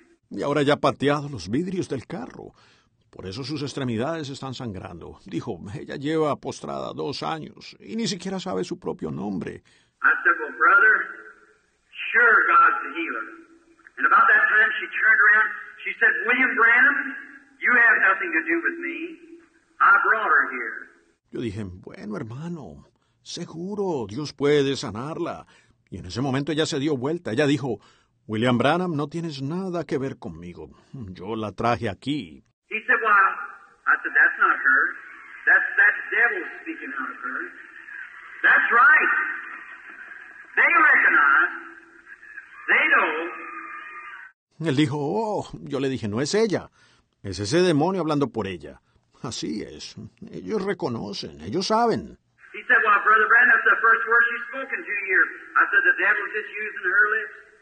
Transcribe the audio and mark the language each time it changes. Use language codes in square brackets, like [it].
[es] Y ahora ya ha pateado los vidrios del carro. Por eso sus extremidades están sangrando. Dijo, ella lleva postrada 2 años y ni siquiera sabe su propio nombre. [en] I said, well, brother, sure God's the healer. And about that time she turned around, she said, William Branham, you have nothing to do with me. I brought her here. [es] Yo dije, bueno, hermano, seguro Dios puede sanarla. Y en ese momento ella se dio vuelta. Ella dijo, William Branham, no tienes nada que ver conmigo. Yo la traje aquí. [en] He said, well, I said, that's not her. That's the devil speaking out of her. That's right. They recognize. They know. [es] Él dijo, oh, yo le dije, no es ella. Es ese demonio hablando por ella. Así es. Ellos reconocen. Ellos saben. [en] He said, well, Brother Branham, that's the first word she's spoken to here. I said, the devil's just using her lips.